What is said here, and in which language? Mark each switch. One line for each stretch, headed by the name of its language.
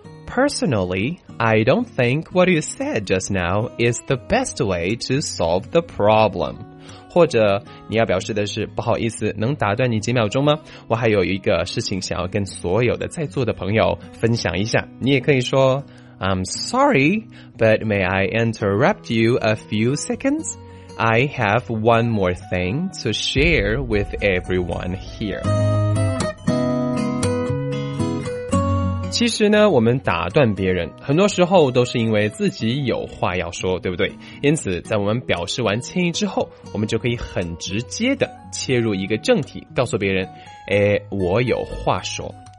English: Personally, I don't think what you said just now is the best way to solve the problem.
Chinese: 或者你要表示的是不好意思能打断你几秒钟吗？我还有一个事情想要跟所有的在座的朋友分享一下。你也可以说
English: I'm sorry but may I interrupt you a few seconds? I have one more thing to share with everyone here.
Chinese: 其实呢我们打断别人很多时候都是因为自己有话要说，对不对？因此在我们表示完歉意之后，我们就可以很直接的切入一个正题，告诉别人我有话说。